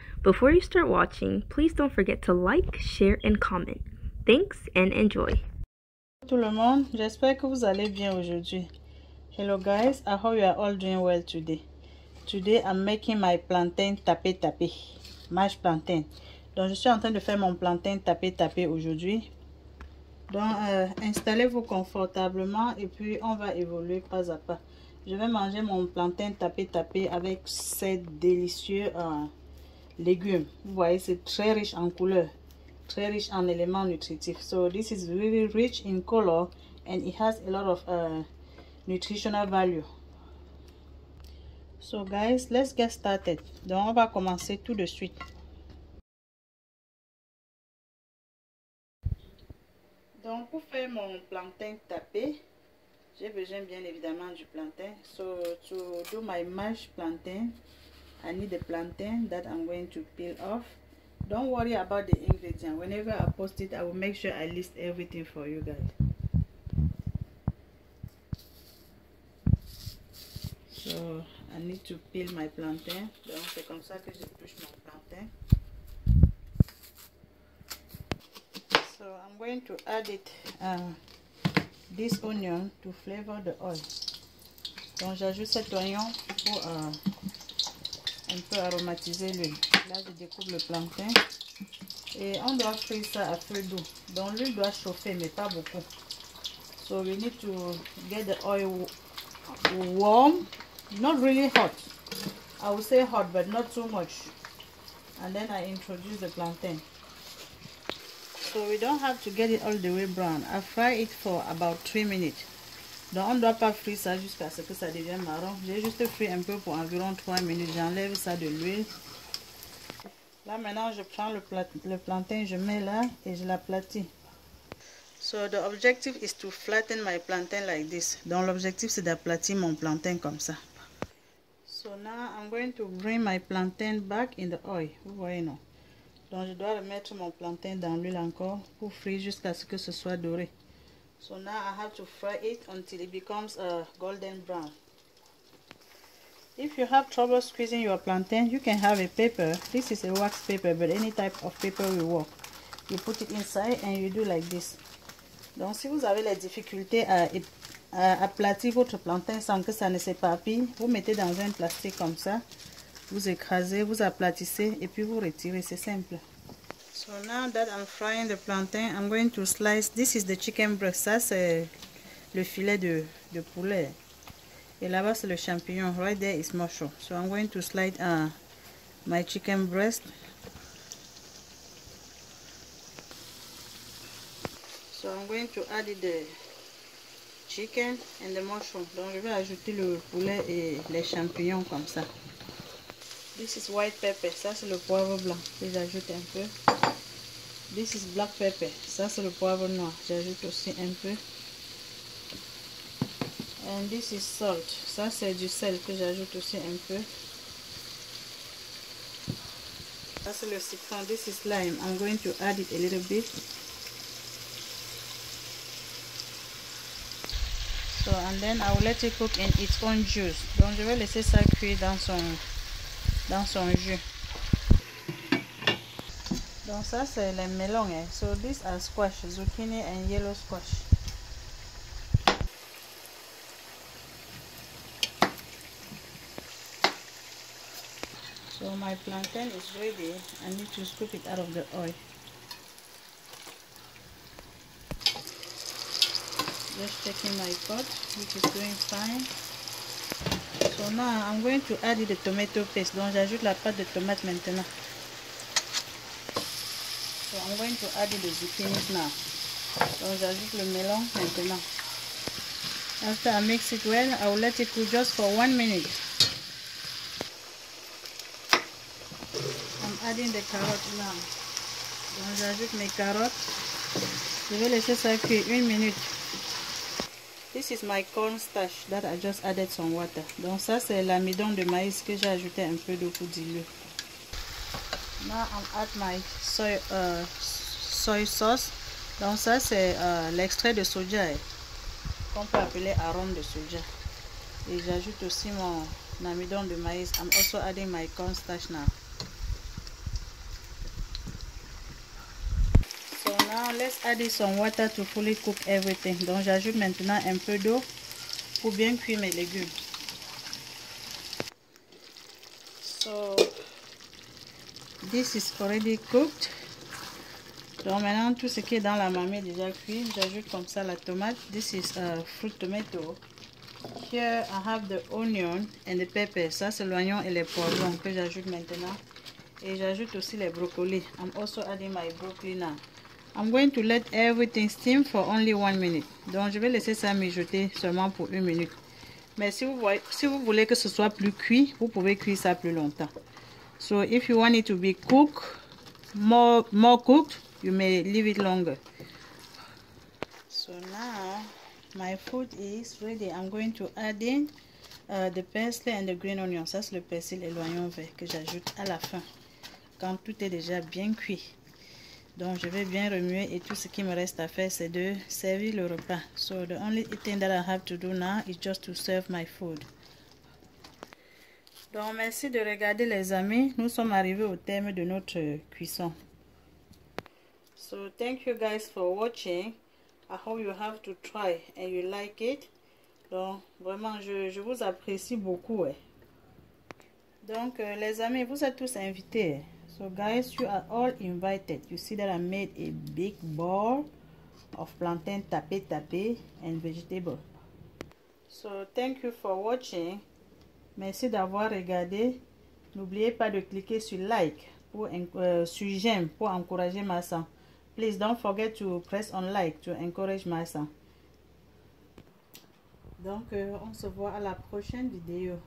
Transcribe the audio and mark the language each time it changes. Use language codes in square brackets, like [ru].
[en] Before you start watching, please don't forget to like, share, and comment. Thanks and enjoy. [fr] Hello, tout le monde. J'espère que vous allez bien aujourd'hui. [en] Hello, guys. I hope you are all doing well today. Today, I'm making my plantain tapé-tapé. Mash plantain. [fr] Donc, je suis en train de faire mon plantain tapé-tapé aujourd'hui. Donc, installez-vous confortablement et puis on va évoluer pas à pas. Je vais manger mon plantain tapé-tapé avec ces délicieux légumes. Vous voyez, c'est très riche en couleurs, très riche en éléments nutritifs. [en] So, this is really rich in color and it has a lot of nutritional value. So, guys, let's get started. [fr] Donc, on va commencer tout de suite. Donc, pour faire mon plantain tapé, j'ai besoin bien évidemment du plantain. [en] So, to do my mashed plantain, I need the plantain that I'm going to peel off. Don't worry about the ingredients. Whenever I post it, I will make sure I list everything for you guys. So, I need to peel my plantain. [fr] Donc, c'est comme ça que je touche mon plantain. [en] So, I'm going to add it. This onion to flavor the oil. [fr] Donc j'ajoute cet oignon pour un peu aromatiser l'huile. Là je découpe le plantain et on doit frire ça à feu doux. Donc l'huile doit chauffer mais pas beaucoup. [en] So we need to get the oil warm, not really hot. I would say hot but not too much. And then I introduce the plantain. So we don't have to get it all the way brown. I fry it for about 3 minutes. [fr] Donc on ne doit pas frire ça jusqu'à ce que ça devienne marron. J'ai juste frit un peu pour environ 3 minutes. J'enlève ça de l'huile. Là maintenant je prends le plantain, je mets là et je l'aplatis. [en] So the objective is to flatten my plantain like this. [fr] Donc l'objectif c'est d'aplatir mon plantain comme ça. [en] So now I'm going to bring my plantain back in the oil. [fr] Vous voyez non? Donc je dois remettre mon plantain dans l'huile encore pour frire jusqu'à ce que ce soit doré. [en] So now I have to fry it until it becomes a golden brown. If you have trouble squeezing your plantain, you can have a paper. This is a wax paper, but any type of paper will work. You put it inside and you do like this. [fr] Donc si vous avez la difficulté à aplatir votre plantain sans que ça ne s'éparpille, vous mettez dans un plastique comme ça. Vous écrasez, vous aplatissez et puis vous retirez, c'est simple. [en] So now that I'm frying the plantain, I'm going to slice. This is the chicken breast. [fr] Ça c'est le filet de poulet. Et là-bas c'est le champignon. [en] Right there is mushroom. So I'm going to slice my chicken breast. So I'm going to add the chicken and the mushroom. [fr] Donc je vais ajouter le poulet et les champignons comme ça. [en] This is white pepper, [fr] ça c'est le poivre blanc, j'ajoute un peu. [en] This is black pepper, [fr] ça c'est le poivre noir, j'ajoute aussi un peu. [en] And this is salt, [fr] ça c'est du sel que j'ajoute aussi un peu. Ça c'est le citron, [en] this is lime, I'm going to add it a little bit. So, and then I will let it cook in its own juice. [fr] Donc je vais laisser ça cuire dans son jus. Donc ça c'est les melons, hein. [en] So these are squash, zucchini and yellow squash. So my plantain is ready. I need to scoop it out of the oil. Just checking my pot, which is doing fine. So now I'm going to add the tomato paste. [fr] Donc j'ajoute la pâte de tomate maintenant. [en] So I'm going to add the zucchini now. [fr] Donc j'ajoute le melon maintenant. [en] After I mix it well, I will let it cook just for 1 minute. I'm adding the carrot now. [fr] Donc j'ajoute mes carottes. Je vais laisser ça cuire 1 minute. [en] This is my cornstarch that I just added some water. [fr] Donc ça c'est l'amidon de maïs que j'ai ajouté un peu d'eau pour diluer. [en] Now I'm add my soy sauce. [fr] Donc ça c'est l'extrait de soja qu'on peut appeler arôme de soja. Et j'ajoute aussi mon [en] Now we done the maize. I'm also adding my cornstarch now. So now let's add some water to fully cook everything. [fr] Donc j'ajoute maintenant un peu d'eau pour bien cuire mes légumes. [en] So this is already cooked. [fr] Donc maintenant tout ce qui est dans la mamie est déjà cuit. J'ajoute comme ça la tomate. [en] This is a fruit tomato. Here I have the onion and the pepper. [fr] Ça c'est l'oignon et les poivrons que j'ajoute maintenant. Et j'ajoute aussi les brocolis. [en] I'm also adding my broccoli now. I'm going to let everything steam for only 1 minute. [fr] Donc je vais laisser ça mijoter seulement pour 1 minute. Mais si vous voulez que ce soit plus cuit, vous pouvez cuire ça plus longtemps. [en] So if you want it to be cooked, more cooked, you may leave it longer. So now my food is ready. I'm going to add in the parsley and the green onion. [fr] Ça c'est le persil et l'oignon vert que j'ajoute à la fin quand tout est déjà bien cuit. Donc je vais bien remuer et tout ce qui me reste à faire c'est de servir le repas. [en] So the only thing that I have to do now is just to serve my food. [fr] Donc merci de regarder les amis. Nous sommes arrivés au terme de notre cuisson. [en] So thank you guys for watching. I hope you have to try and you like it. [fr] Donc vraiment je vous apprécie beaucoup. Donc les amis, vous êtes tous invités. [en] So guys, you are all invited. You see that I made a big bowl of plantain tapé tapé and vegetable. So thank you for watching. [fr] Merci d'avoir regardé. N'oubliez pas de cliquer sur like pour sur j'aime pour encourager ma sang. [en] Please don't forget to press on like to encourage my son. [fr] Donc, on se voit à la prochaine vidéo.